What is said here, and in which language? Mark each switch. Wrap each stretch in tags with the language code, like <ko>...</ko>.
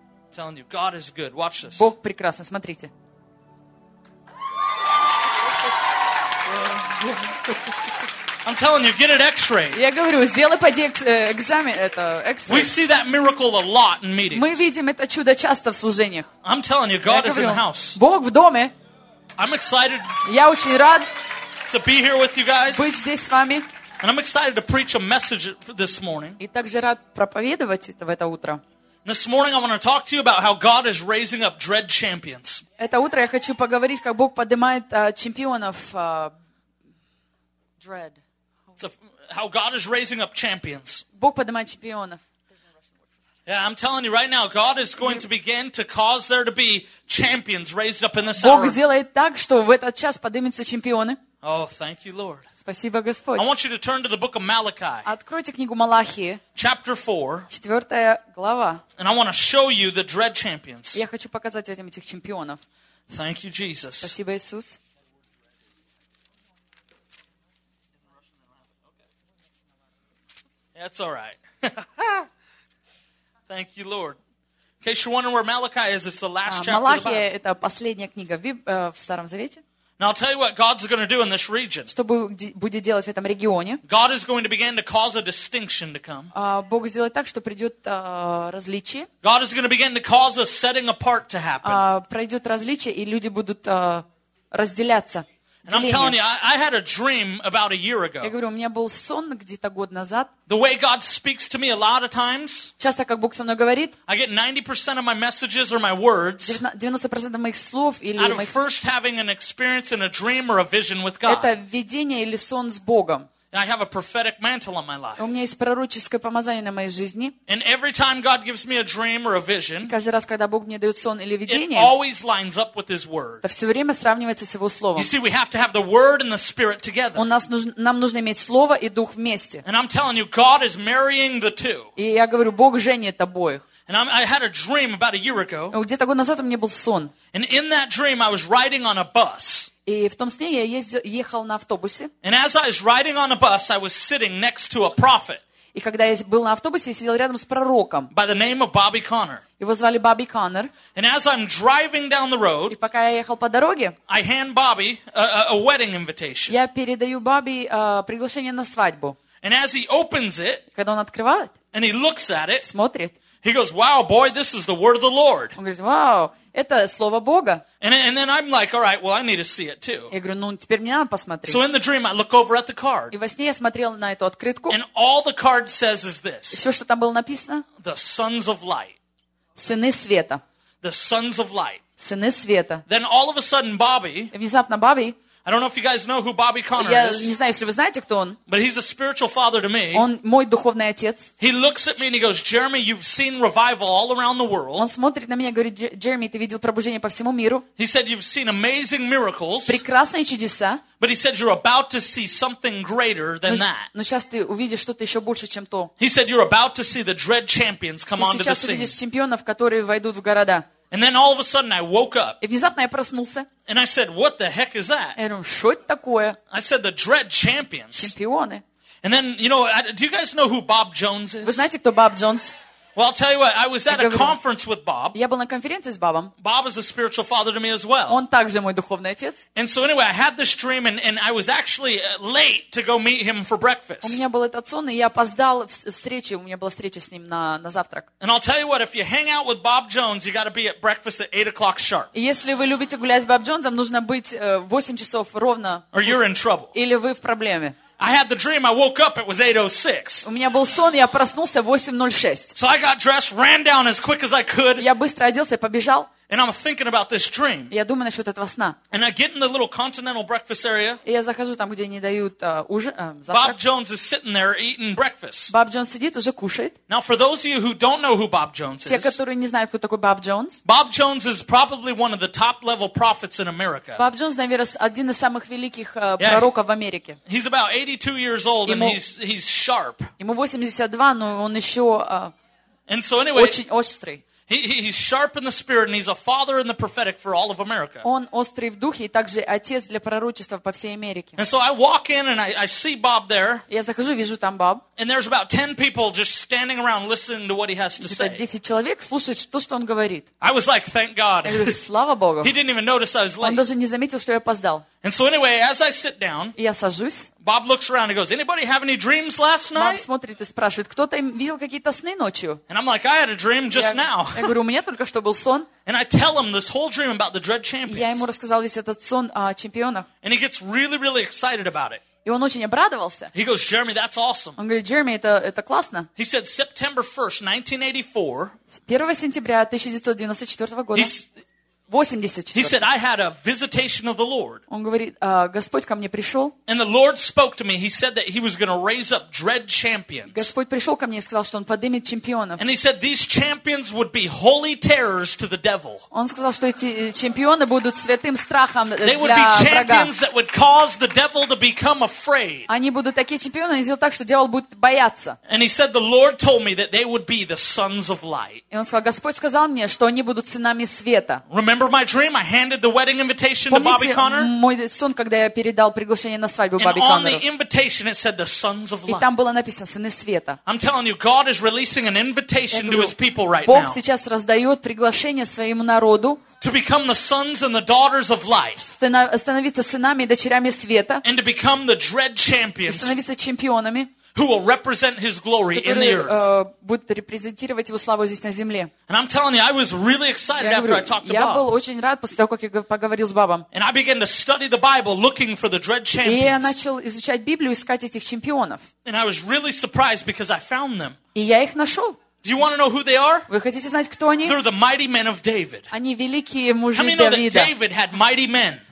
<en>I'm telling you, God is good. Watch this.</en> <ru>Бог прекрасен. Смотрите.</ru> <en>I'm telling you, get an X-ray.</en> <ru>Я говорю, сделай поди экзамен это X-ray.</ru> <en>We see that miracle a lot in meetings.</en> <ru>Мы видим это чудо часто в служениях.</ru> <en>I'm telling you, God is in the house.</en> <ru>Бог в доме.</ru> <en>I'm excited.</en> <ru>Я очень рад.</ru> <en>To be here with you guys.</en> <ru>Быть здесь с вами.</ru> <en>And I'm excited to preach a message this morning.</en> <ru>И также рад проповедовать это в это утро.</ru> <en>This morning I want to talk to you about how God is raising up dread champions.</en> <ru>Это утро я хочу поговорить, как Бог поднимает чемпионов dread.</ru> <en>So how God is raising up champions.</en> <ru>Бог поднимает чемпионов.</ru> <en>Yeah, I'm telling you right now, God is going to begin to cause there to be champions raised up in this hour.</en> <ru>Бог сделает так, что в этот час поднимутся чемпионы.</ru> <en>Oh, thank you, Lord.</en> <ru>Спасибо, Господь.</ru> <en>I want you to turn to the book of Malachi.</en> <ru>Откройте книгу Малахии.</ru> <en>Chapter 4.</en> <ru>Четвертая глава.</ru> <en>And I want to show you the dread champions.</en> <ru>Я хочу показать вам этих чемпионов.</ru> <en>Thank you, Jesus.</en> <ru>Спасибо, Иисус.</ru> <en>That's all right. Thank you, Lord. In case you're wondering where Malachi is, it's the last chapter</en> <ru>Малахия</ru> <en>of the Bible.</en> <ru>Малахия — это последняя книга в Старом Завете.</ru> <en>Now I'll tell you what God's going to do in this region.</en> <ru>Что будет делать в этом регионе?</ru> <en>God is going to begin to cause a distinction to come.</en> <ru>Бог сделает так, что придет различие.</ru> <en>God is going to begin to cause a setting apart to happen.</en> <ru>Пройдет различие, и люди будут разделяться.</ru> <en>And I'm telling you, I had a dream about a year ago.</en> <ru>Я говорю, у меня был сон где-то год назад.</ru> <en>The way God speaks to me a lot of times.</en> <ru>Часто как Бог со мной говорит.</ru> <en>I get 90% of my messages or my words.</en> <ru>90% моих слов или моих.</ru> <en>Out of first having an experience in a dream or a vision with God.</en> <ru>Это видение или сон с Богом.</ru> <en>I have a prophetic mantle on my life.</en> <ru>У меня есть пророческое помазание на моей жизни.</ru> <en>And every time God gives me a dream or a vision,</en> <ru>каждый раз, когда Бог мне дает сон или видение,</ru> <en>it always lines up with His word.</en> <ru>Это все время сравнивается с Его словом.</ru> <en>You see, we have to have the word and the spirit together.</en> <ru>У нас нам нужно иметь слово и дух вместе.</ru> <en>And I'm telling you, God is marrying the two.</en> <ru>И я говорю, Бог женит обоих.</ru> <en>And I had a dream about a year ago.</en> <ru>Где-то год назад у меня был сон.</ru> <en>And in that dream, I was riding on a bus.</en> <ru>И в том сне я ехал на автобусе.</ru> <en>And as I was riding on a bus, I was sitting next to a prophet.</en> <ru>И когда я был на автобусе, я сидел рядом с пророком.</ru> <en>By the name of Bobby Connor.</en> <ru>Его звали Бобби Коннор.</ru> <en>And as I'm driving down the road,</en> <ru>и пока я ехал по дороге,</ru> <en>I hand Bobby a wedding invitation.</en> <ru>Я передаю Бобби приглашение на свадьбу.</ru> <en>And as he opens it,</en> <ru>когда он открывает,</ru> <en>and he looks at it,</en> <ru>смотрит.</ru> <en>He goes, "Wow, boy, this is the word of the Lord."</en> <ru>Он говорит, "Вау, это слово Бога."</ru> <en>And then I'm like, "All right, well, I need to see it too."</en> <ru>Я говорю, "Ну, теперь мне надо посмотреть."</ru> <en>So in the dream, I look over at the card.</en> <ru>И во сне я смотрел на эту открытку.</ru> <en>And all the card says is this.</en> <ru>Все, что там было написано?</ru> <en>The sons of light.</en> <ru>Сыны света.</ru> <en>The sons of light.</en> <ru>Сыны света.</ru> <en>Then all of a sudden, Bobby.</en> <ru>И внезапно Бобби.</ru> <en>I don't know if you guys know who Bobby Connor is.</en> <ru>Я не знаю, если вы знаете, кто он.</ru> <en>But he's a spiritual father to me.</en> <ru>Он мой духовный отец.</ru> <en>He looks at me and he goes, "Jeremy, you've seen revival all around the world."</en> <ru>Он смотрит на меня и говорит, Джереми, ты видел пробуждение по всему миру.</ru> <en>He said, "You've seen amazing miracles."</en> <ru>Прекрасные чудеса.</ru> <en>But he said, "You're about to see something greater than that."</en> <ru>Но сейчас ты увидишь что-то еще больше, чем то.</ru> <en>He said, "You're about to see the dread champions come onto the scene."</en> <ru>Ты сейчас увидишь чемпионов, которые войдут в города.</ru> <en>And then all of a sudden I woke up.</en> <ru>И внезапно я проснулся.</ru> <en>And I said, "What the heck is that?"</en> <ru>Я думаю, что это такое?</ru> <en>I said, "The Dread Champions."</en> <ru>Чемпионы.</ru> <en>And then, you know, do you guys know who Bob Jones is?</en> <ru>Вы знаете, кто Боб Джонс?</ru> <en>Well, I'll tell you what, I was at a conference with Bob.</en> <ru>Я был на конференции с Бобом.</ru> <en>Bob is a spiritual father to me as well.</en> <ru>Он также мой духовный отец.</ru> <en>And so anyway, I had this dream and I was actually late to go meet him for breakfast.</en> <ru>У меня был этот сон, и я опоздал в встрече, у меня была встреча с ним на завтрак.</ru> <en>And I'll tell you what, if you hang out with Bob Jones, you got to be at breakfast at 8 o'clock sharp.</en> <ru>Если вы любите гулять с Боб Джонсом, нужно быть в 8 часов ровно.</ru> <en>Or you're in trouble.</en> <ru>Или вы в проблеме.</ru> <en>I had the dream, I woke up, it was 8:06.</en> <ru>У меня был сон, я проснулся в 8:06.</ru> <en>So I got dressed, ran down as quick as I could.</en> <ru>Я быстро оделся и побежал.</ru> <en>And I'm thinking about this dream.</en> <ru>Я думаю насчет этого сна.</ru> <en>And I get in the little continental breakfast area.</en> <ru>И я захожу там, где не дают завтрак.</ru> <en>Bob Jones is sitting there eating breakfast.</en> <ru>Bob Jones сидит, уже кушает.</ru> <en>Now for those of you who don't know who Bob Jones is.</en> <ru>Те, которые не знают, кто такой Bob Jones.</ru> <en>Bob Jones is probably one of the top level prophets in America.</en> <ru>Bob Jones, наверное, один из самых великих пророков в Америке.</ru> <en>He's about 82 years old and he's sharp.</en> <ru>Ему 82, но он еще</ru> <en>and so anyway,</en> <ru>очень острый.</ru> <en>He's sharp in the spirit, and he's a father in the prophetic for all of America.</en> <ru>Он острый в духе и также отец для пророчества по всей Америке.</ru> <en>And so I walk in and I see Bob there.</en> <ru>Я захожу, вижу там Боб.</ru> <en>And there's about 10 people just standing around listening to what he has to say.</en> <ru>Где-то 10 человек слушают то, что он говорит.</ru> <en>I was like, "Thank God."</en> <ru>Я говорю, слава Богу.</ru> <en>He didn't even notice I was late.</en> <ru>Он даже не заметил, что я опоздал.</ru> <en>And so anyway, as I sit down,</en> <ru>я сажусь.</ru> <en>Bob looks around and goes, "Anybody have any dreams last night?"</en> <ru>Боб смотрит и спрашивает, кто-то видел какие-то сны ночью?</ru> <en>And I'm like, "I had a dream just now."</en> <ru>Я говорю, у меня только что был сон.</ru> <en>And I tell him this whole dream about the Dread Champions.</en> <ru>Я ему рассказал весь этот сон о чемпионах.</ru> <en>And he gets really, really excited about it.</en> <ru>И он очень обрадовался.</ru> <en>He goes, "Jeremy, that's awesome."</en> <ru>Он говорит, Джереми, это классно.</ru> <en>He said, "September 1st, 1984."</en> <ru>1 сентября 1994 года. 84.</ru> <en>He said, "I had a visitation of the Lord."</en> <ru>Он говорит, Господь ко мне пришел.</ru> <en>And the Lord spoke to me. He said that He was going to raise up dread champions.</en> <ru>Господь пришел ко мне и сказал, что он поднимет чемпионов.</ru> <en>And He said these champions would be holy terrors to the devil.</en> <ru>Он сказал, что эти чемпионы будут святым страхом для врага.</ru> <en>They would be champions that would cause the devil to become afraid.</en> <ru>Они будут такие чемпионы, они сделают так, что дьявол будет бояться.</ru> <en>And He said the Lord told me that they would be the sons of light.</en> <ru>И он сказал, Господь сказал мне, что они будут сынами света.</ru> <en>Remember Remember my dream? I handed the wedding invitation</en> <ru>Помните</ru> <en>to Bobby Connor.</en> <ru>Мой сон, когда я передал приглашение на свадьбу Бобби</ru> <en>Коннору. And on the invitation it said the sons of light.</en> <ru>И там было написано сыны света.</ru> <en>I'm telling you, God is releasing an invitation to His people right</en> <ru>Бог</ru> <en>now.</en> <ru>Бог сейчас раздает приглашение своему народу.</ru> <en>To become the sons and the daughters of light.</en> <ru>Становиться сынами и дочерями света.</ru> <en>And to become the dread champions.</en> <ru>Становиться чемпионами.</ru> <en>Who will represent His glory in the earth?</en> <ru>Будут репрезентировать Его славу здесь на земле.</ru> <en>And I'm telling you, I was really excited after I talked to Bob.</en> <ru>Я был очень рад после того, как я поговорил с Бобом.</ru> <en>And I began to study the Bible, looking for the dread champions.</en> <ru>И я начал изучать Библию, искать этих чемпионов.</ru> <en>And I was really surprised because I found them.</en> <ru>И я их нашел.</ru> <en>Do you want to know who they are?</en> <ru>Вы хотите знать, кто они?</ru> <en>They're the mighty men of David.</en> <ru>Они великие мужи Давида.</ru> <en>How many know that David had mighty men?</en>